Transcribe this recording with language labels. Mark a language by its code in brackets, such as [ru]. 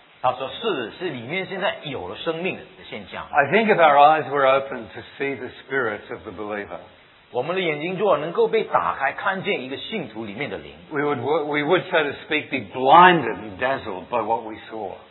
[zh] 他说是里面现在有了生命的现象。 [en] I think if our eyes were open to see the spirit of the believer, [zh] 我们的眼睛若能够被打开，看见一个信徒里面的灵， [en] we would so to speak be blinded and dazzled by what we saw.